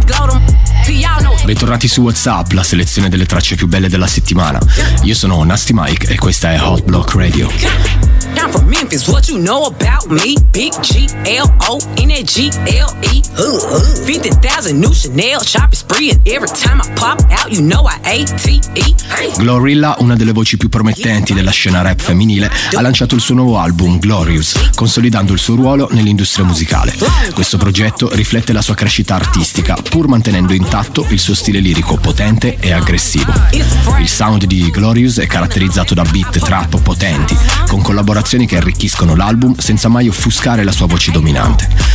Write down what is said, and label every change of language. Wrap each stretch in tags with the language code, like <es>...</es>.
<en>What's up?</en> <it>Bentornati su WhatsApp, la selezione delle tracce più belle della settimana. Io sono Nasty Mike e questa è Hot Block Radio.</it> <en>I'm from Memphis, what you know about me? Big G-L-O-N-A-G-L-E. 50,000 new Chanel shopping spree. And every time I pop out, you know I A-T-E.</en> <it>Glorilla, una delle voci più promettenti della scena rap femminile, ha lanciato il suo nuovo album, Glorious, consolidando il suo ruolo nell'industria musicale. Questo progetto riflette la sua crescita artistica, pur mantenendo intatto il suo stile lirico potente e aggressivo. Il sound di Glorious è caratterizzato da beat trap potenti, con collaborazioni che arricchiscono l'album senza mai offuscare la sua voce dominante.</it>